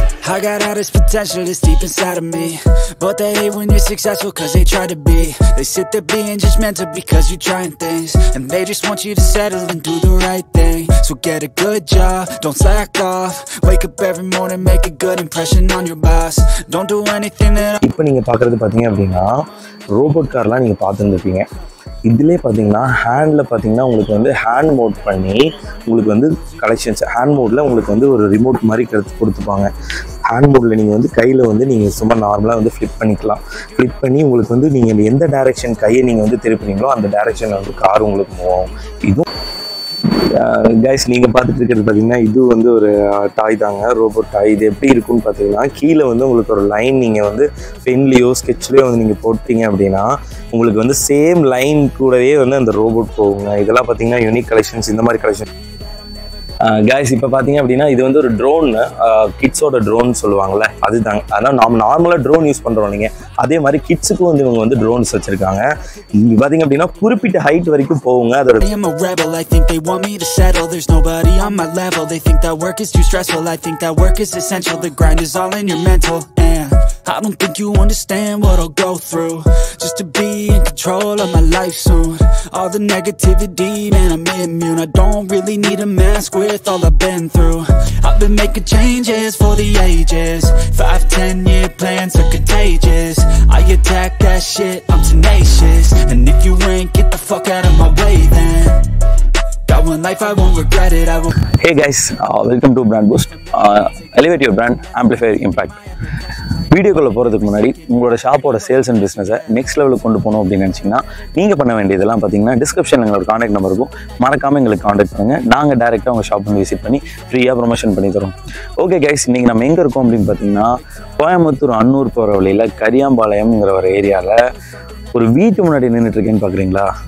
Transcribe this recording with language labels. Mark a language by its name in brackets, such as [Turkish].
[English] I got all this potential that's deep inside of me, but they hate when you're successful cause they try to be. They sit there being judgmental because you're trying things, and they just want you to settle and do the right thing. So get a good job, don't slack off, wake up every morning, make a good impression on your boss. Don't do anything that I... [Tamil] இப்போ நீங்க பாக்குறது பாத்தீங்கன்னா robot கார்லாம் நீங்க பாத்துருந்துருப்பீங்க. இதுலேயே பார்த்தீங்கன்னா handle பார்த்தீங்கன்னா உங்களுக்கு வந்து ஹேண்ட் மோட் பண்ணி உங்களுக்கு வந்து கலெக்ஷன்ஸ் ஹேண்ட் மோடில் உங்களுக்கு வந்து ஒரு ரிமோட் மாதிரி கருத்து கொடுத்துப்பாங்க. ஹேண்ட் மோடில் நீங்கள் வந்து கையில் வந்து நீங்கள் சும்மா நார்மலாக வந்து ஃப்ளிப் பண்ணிக்கலாம். ஃப்ளிப் பண்ணி உங்களுக்கு வந்து நீங்கள் எந்த டைரெக்ஷன் கையை நீங்கள் வந்து திருப்பினீங்களோ அந்த டைரெக்ஷனில் வந்து கார் உங்களுக்கு மூவாகும். இதுவும் கைஸ் நீங்கள் பார்த்துட்டு இருக்கிறது பார்த்தீங்கன்னா இது வந்து ஒரு டாய் தாங்க, ரோபோட் டாய். இது எப்படி இருக்குன்னு பார்த்தீங்கன்னா கீழே வந்து உங்களுக்கு ஒரு லைன் நீங்கள் வந்து பென்லேயோ ஸ்கெட்ச்லேயோ வந்து நீங்கள் போட்டீங்க அப்படின்னா உங்களுக்கு வந்து சேம் லைன் கூடவே வந்து அந்த ரோபோட் போகுங்க. இதெல்லாம் பார்த்தீங்கன்னா யூனிக் கலெக்ஷன்ஸ், இந்த மாதிரி கலெக்ஷன் கைஸ். இப்போ பார்த்தீங்க அப்படின்னா இது வந்து ஒரு ட்ரோன், கிட்ஸோட ட்ரோன் சொல்லுவாங்களே அதுதாங்க. அதான் நாம் நார்மலாக ட்ரோன் யூஸ் பண்ணுறோம் நீங்கள், அதே மாதிரி கிட்ஸுக்கும் வந்து இவங்க வந்து ட்ரோன்ஸ் வச்சுருக்காங்க. பார்த்தீங்க அப்படின்னா குறிப்பிட்ட ஹைட் வரைக்கும் போவுங்க. அதோட [English] I am a rebel, I think they want me to settle. There's nobody on my level. They think that work is too stressful. I think that work is essential. The grind is all in your mental. I don't think you understand what I'll go through just to be in control of my life soon. All the negativity, man, I'm immune. I don't really need a mask with all I've been through. I've been making changes for the ages. 5-10-year plans are contagious. I attack that shit, I'm tenacious. And if you ain't, get the fuck out of my way then. Hey guys, welcome to Brand Boost. Elevate your brand, amplify your impact. [Tamil] வீடியோக்குள்ள போகிறதுக்கு முன்னாடி உங்களோட ஷாப்போட sales and பிஸ்னஸை next லெவலுக்கு கொண்டு போகணும் அப்படின்னு நினச்சிங்கன்னா நீங்கள் பண்ண வேண்டியதெல்லாம் பார்த்தீங்கன்னா டிஸ்கிரிப்ஷனில் எங்களோட காண்டாக்ட் நம்பர் இருக்கும், மறக்காமல் எங்களுக்கு காண்டாக்ட் பண்ணுங்கள். நாங்கள் டேரெக்டாக உங்கள் ஷாப் வந்து விசிட் பண்ணி ஃப்ரீயாக ப்ரொமோஷன் பண்ணி தரோம். ஓகே கைஸ், இன்றைக்கி நம்ம எங்கே இருக்கோம் அப்படின்னு பார்த்தீங்கன்னா கோயம்புத்தூர் அன்னூர் போகிற வழியில் கரியாம்பாளையம்ங்கிற ஒரு ஏரியாவில் ஒரு வீட்டு முன்னாடி நின்றுட்டு இருக்கேன்னு பார்க்குறீங்களா.